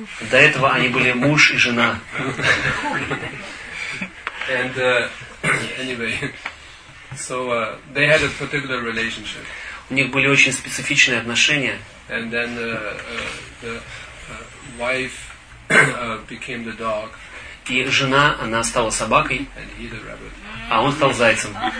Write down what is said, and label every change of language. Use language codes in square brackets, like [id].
[ru] До этого они были муж и жена. [en] And anyway, so they had a particular relationship. [ru] У них были очень специфичные отношения. [en] And then the wife became the dog. [ru] И жена, она стала собакой, а он стал зайцем.